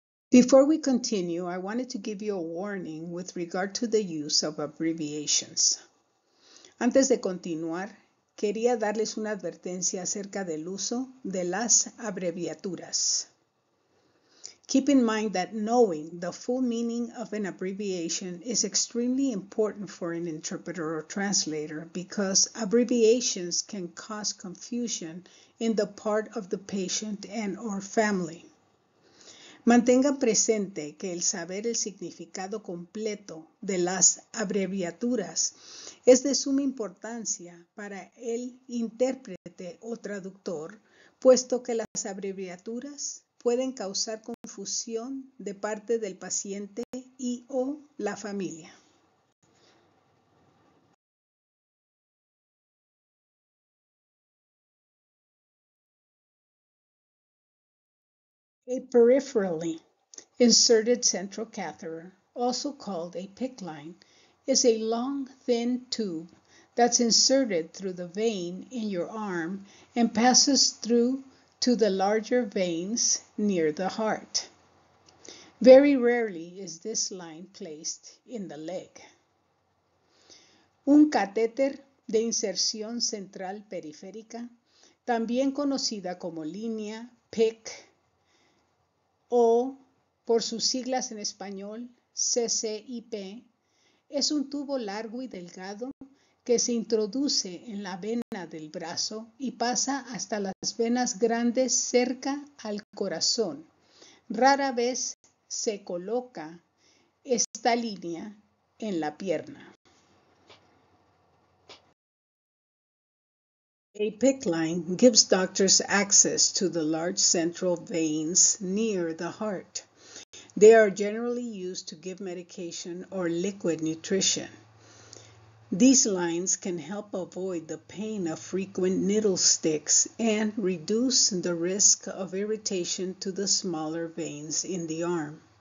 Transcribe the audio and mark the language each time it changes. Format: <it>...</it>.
<en>Before we continue, I wanted to give you a warning with regard to the use of abbreviations.</en> <es>Antes de continuar, quería darles una advertencia acerca del uso de las abreviaturas.</es> <en>Keep in mind that knowing the full meaning of an abbreviation is extremely important for an interpreter or translator because abbreviations can cause confusion in the part of the patient and or family.</en> <es>Mantenga presente que el saber el significado completo de las abreviaturas es de suma importancia para el intérprete o traductor, puesto que las abreviaturas pueden causar confusión de parte del paciente y o la familia.</es> <en>A peripherally inserted central catheter, also called a PICC line, is a long, thin tube that's inserted through the vein in your arm and passes through to the larger veins near the heart. Very rarely is this line placed in the leg.</en> <es>Un catéter de inserción central periférica, también conocida como línea PICC, o, por sus siglas en español, CCIP, es un tubo largo y delgado que se introduce en la vena del brazo y pasa hasta las venas grandes cerca al corazón. Rara vez se coloca esta línea en la pierna.</es> <en>A PICC line gives doctors access to the large central veins near the heart. They are generally used to give medication or liquid nutrition. These lines can help avoid the pain of frequent needle sticks and reduce the risk of irritation to the smaller veins in the arm.</en>